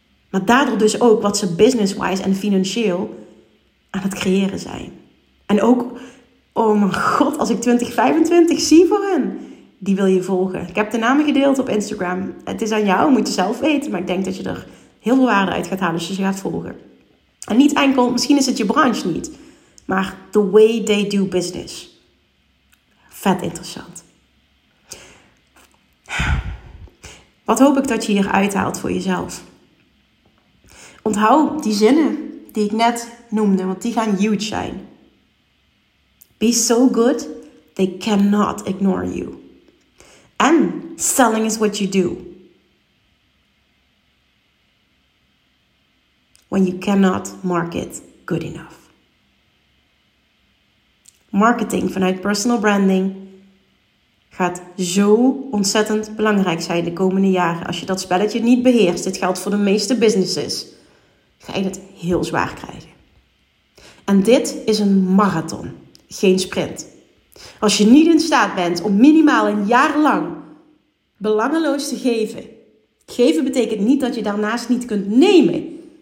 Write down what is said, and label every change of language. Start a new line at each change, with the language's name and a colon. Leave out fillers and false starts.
Dutch: Maar daardoor dus ook wat ze business-wise en financieel aan het creëren zijn. En ook, oh mijn god, als ik 2025 zie voor hen. Die wil je volgen. Ik heb de namen gedeeld op Instagram. Het is aan jou, moet je zelf weten. Maar ik denk dat je er heel veel waarde uit gaat halen als je ze gaat volgen. En niet enkel, misschien is het je branche niet. Maar
English: the way they do business.
Dutch: Vet interessant. Wat hoop ik dat je hier uithaalt voor jezelf? Onthoud die zinnen die ik net noemde, want die gaan huge zijn.
English: Be so good, they cannot ignore you. And selling is what you do. When you cannot market good enough.
Dutch: Marketing vanuit personal branding gaat zo ontzettend belangrijk zijn de komende jaren. Als je dat spelletje niet beheerst, dit geldt voor de meeste businesses, ga je het heel zwaar krijgen. En dit is een marathon, geen sprint. Als je niet in staat bent om minimaal een jaar lang belangeloos te geven. Geven betekent niet dat je daarnaast niet kunt nemen.